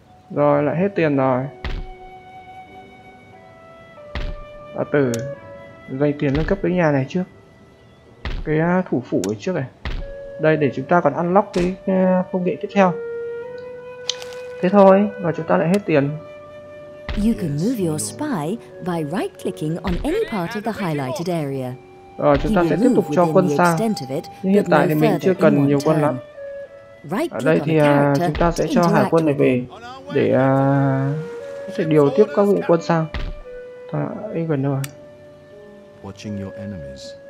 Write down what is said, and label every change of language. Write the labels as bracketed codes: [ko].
[vi] Rồi, lại hết tiền rồi. Bà tử dành tiền nâng cấp cái nhà này trước. Cái thủ phủ ở trước này. Đây, để chúng ta còn unlock cái công nghệ tiếp theo. Thế thôi, và chúng ta lại hết tiền. [en] You can move your spy by right clicking on any part of the highlighted area. [vi] Rồi chúng ta sẽ tiếp tục cho quân sang. Nhưng hiện tại thì mình chưa cần nhiều quân lắm. Ở đây thì chúng ta sẽ cho hải quân này về để có thể điều tiếp các vụ quân sang. Thôi, gần đâu rồi. [en] Watching your enemies.